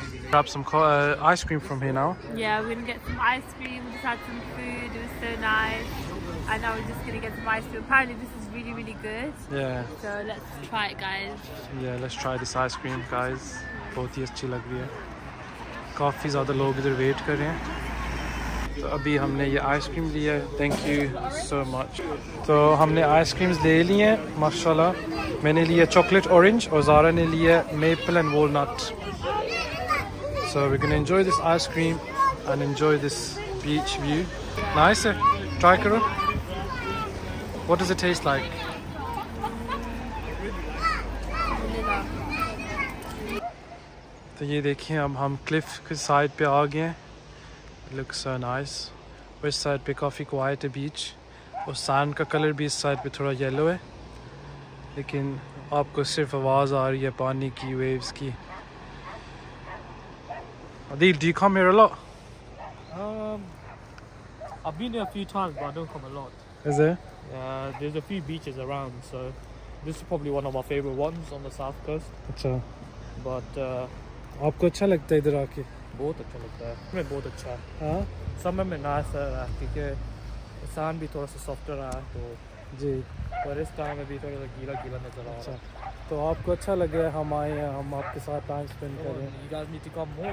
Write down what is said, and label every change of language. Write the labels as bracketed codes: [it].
[en] Grab some ice cream from here now. Yeah, we're gonna get some ice cream. We just had some food. It was so nice. And now we're just gonna get some ice cream. Apparently, this is really, really good. Yeah. So let's try it, guys. Yeah, let's try this ice cream, guys. [hi] बहुत ही अच्छी लग रही है. काफ़ी ज़्यादा लोग इधर wait कर रहे हैं. तो अभी हमने ये आइसक्रीम ली है. [en] Thank you so much. [hi] तो हमने आइसक्रीम्स ले ली हैं माशाल्लाह. मैंने लिया चॉकलेट ऑरेंज और ज़ारा ने लिया maple and walnut. [en] So we can enjoy this ice cream and enjoy this beach view. [hi] Nice है, ट्राई करो. [en] What does it taste like? [hi] तो ये देखें अब हम क्लिफ के साइड पे आ गए हैं. [en] Looks so nice. [hi] इस साइड पे काफ़ी क्वाइट है बीच, और सैंड का कलर भी इस साइड पे थोड़ा येलो है, लेकिन आपको सिर्फ आवाज़ आ रही है पानी की, वेव्स की. [en] Adil, do you come here a lot? I've been there a few times, but I don't come a lot. Is there? There's a few beaches around, so this is probably one of my favorite ones on the south coast. [hi] अच्छा. [en] But [hi] आपको अच्छा लगता है इधर आके? बहुत अच्छा लगता है. मैं बहुत अच्छा. हाँ, समर में नाइस है क्योंकि सैंड भी थोड़ा सा सॉफ्टर है तो. जी. पर इस टाइम में भी थोड़ा सा गीला गीला नजर आ रहा. अच्छा, तो आपको अच्छा लग रहा है हम आए हैं, हम आपके साथ टाइम स्पेंड कर रहे